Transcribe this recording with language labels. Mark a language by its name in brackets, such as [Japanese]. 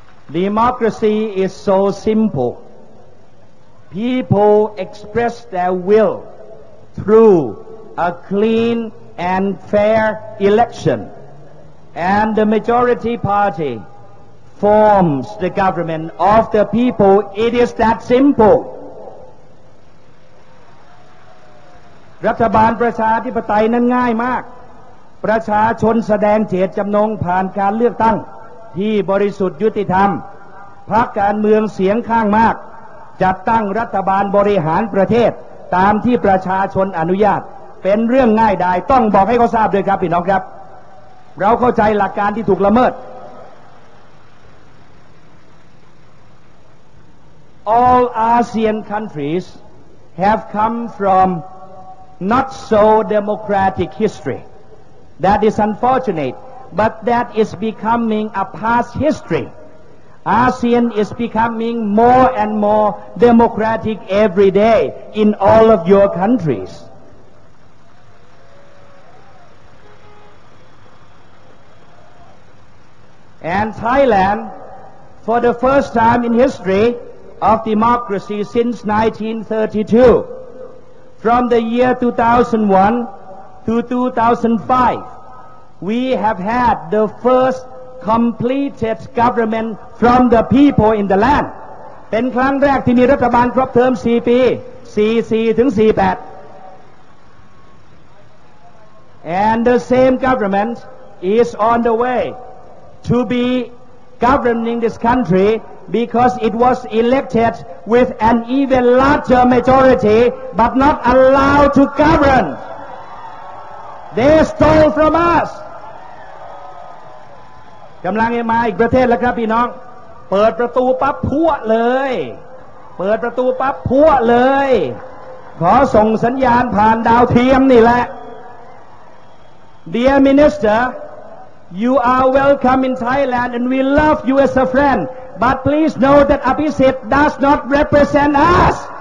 [English] Democracy is so simple. People express their will through a clean and fair election, and the majority party forms the government of the people. It is that simple. [Thai] รัฐบาลประชาธิปไตยนั้นง่ายมากประชาชนแสดงเจตจำนงผ่านการเลือกตั้งที่บริสุทธิ์ยุติธรรม พรรคการเมืองเสียงข้างมากจัดตั้งรัฐบาลบริหารประเทศตามที่ประชาชนอนุญาตเป็นเรื่องง่ายดายต้องบอกให้เขาทราบด้วยครับพี่น้องครับเราเข้าใจหลักการที่ถูกละเมิด [English] All ASEAN countries have come from not so democratic history. That is unfortunate, but that is becoming a past history. ASEAN is becoming more and more democratic every day in all of your countries. And Thailand, for the first time in history of democracy since 1932, from the year 2001 to 2005, we have had the first completed government from the people in the land. [Thai] เป็นครั้งแรกที่มีรัฐบาลครบเทอม4ปี44ถึง48 [English] And the same government is on the way. To be governing this country because it was elected with an even larger majority but not allowed to govern. They stole from us. [Thai] กำลังจะมาอีกประเทศแล้วครับพี่น้องเปิดประตูปั๊บพั่วเลยเปิดประตูปั๊บพั่วเลยขอส่งสัญญาณผ่านดาวเทียมนี่แหละ [English] Dear MinisterYou are welcome in Thailand and we love you as a friend. But please know that Abhisit does not represent us.